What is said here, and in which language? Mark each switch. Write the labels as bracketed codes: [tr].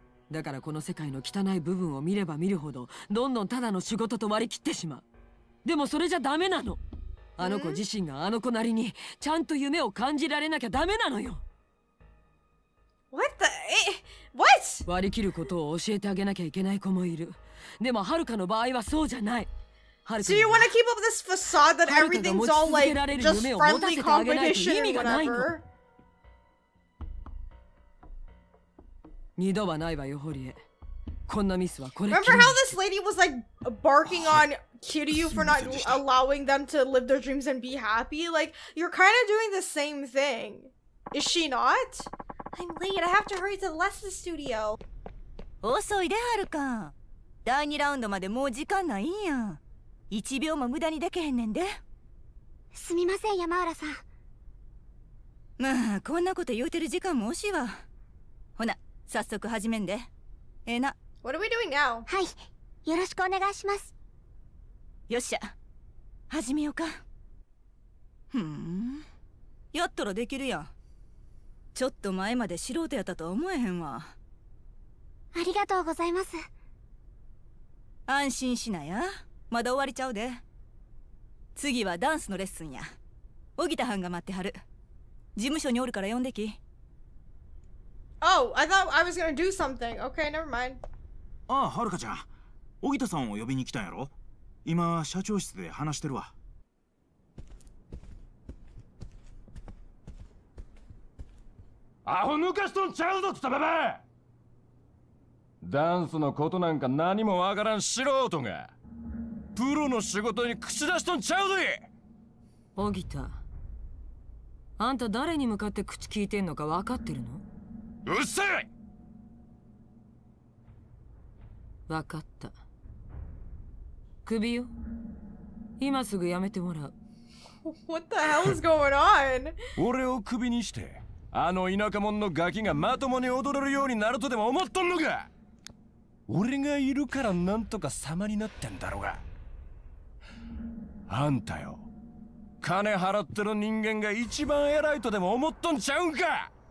[ja] だからこの世界の汚い部分を見れば見るほど、どんどんただの仕事と割り切ってしまう。でもそれじゃダメなの。あの子自身があの子なりにちゃんと夢を感じられなきゃダメなのよ。 [en] What the? What? [ja] 割り切ることを教えてあげなきゃいけない子もいる。でもはるかの場合はそうじゃない。 [en] So you want to keep up this facade that everything's all like just friendly competition or whatever? [ja] 二度はないわよ、ホリエ。こんなミスはこれ。 [en] Remember how this lady was like barking on Kiryu for not allowing them to live their dreams and be happy? Like, you're kind of doing the same thing. Is she not? I'm late. I have to hurry to the lesson studio. [ja] 遅いで、ハルカ。第2ラウンドまでもう時間ないんや。一秒も無駄にできへんねんで。すみません、山浦さん。まあこんなこと言うてる時間も惜しいわ。ほな早速始めんで。ええな。 [en] What are we doing now? [ja] はい、よろしくお願いします。よっしゃ始めようか。ふん、やったらできるやん。ちょっと前まで素人やったとは思えへんわ。ありがとうございます。安心しなや、まだ終わりちゃうで。次はダンスのレッスンや。荻田班が待ってはる。事務所におるから呼んでき。 [en] Oh, I thought I was gonna do something. Okay, never mind. [ja] ああ、はるかちゃん、荻田さんを呼びに来たんやろ。今、社長室で話してるわ。アホ抜かしとんちゃうぞ、つたべべ。ダンスのことなんか何もわからん素人がプロの仕事に口出しとんちゃうぜ。オギタ、あんた誰に向かって口聞いてんのか分かってるの？うっせえ。分かった。クビよ、今すぐやめてもらう。 [en] What the hell is going on? [ja] 俺をクビにしてあの田舎者のガキがまともに踊れるようになるとでも思っとんのか。俺がいるからなんとか様になってんだろうが。あんたよ、金払ってる人間が一番偉いとでも思っとんちゃうんか。